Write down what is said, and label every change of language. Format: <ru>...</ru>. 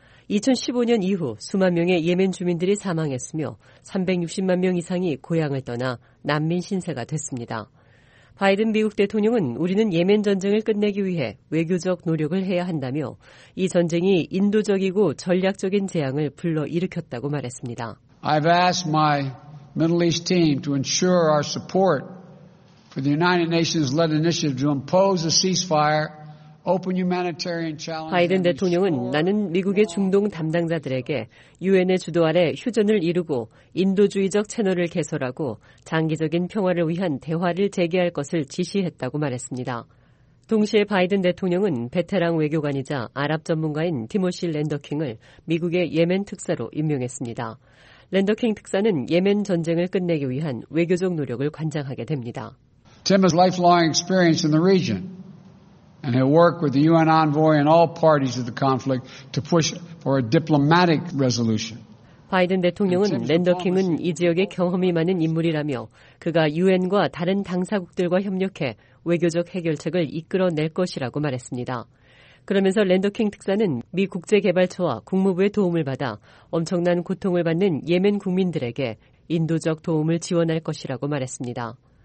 <ko>2015년 이후 수만 명의 예멘 주민들이 사망했으며 360만 명 이상이 고향을 떠나 난민 신세가 됐습니다. 바이든 미국 대통령은 우리는 예멘 전쟁을 끝내기 위해 외교적 노력을 해야 한다며 이 전쟁이 인도적이고 전략적인 재앙을 불러일으켰다고 말했습니다.</ko> <en>I've asked my Middle East team to ensure our support for the United Nations-led initiative to impose a ceasefire.</en> <ko>바이든 대통령은 나는 미국의 중동 담당자들에게 유엔의 주도 아래 휴전을 이루고 인도주의적 채널을 개설하고 장기적인 평화를 위한 대화를 재개할 것을 지시했다고 말했습니다. 동시에 바이든 대통령은 베테랑 외교관이자 아랍 전문가인 티모시 랜더킹을 미국의 예멘 특사로 임명했습니다. 랜더킹 특사는 예멘 전쟁을 끝내기 위한 외교적 노력을 관장하게 됩니다.</ko> <en>Tim has lifelong experience in the region. And he'll work with the UN envoy and all parties of the conflict to push for a diplomatic resolution.</en> <ko>바이든 대통령은 랜더킹은 이 지역에 경험이 많은 인물이라며 그가 UN과 다른 당사국들과 협력해 외교적 해결책을 이끌어낼 것이라고 말했습니다. 그러면서 랜더킹 특사는 미 국제개발처와 국무부의 도움을 받아 엄청난 고통을 받는 예멘 국민들에게 인도적 도움을 지원할 것이라고 말했습니다.</ko>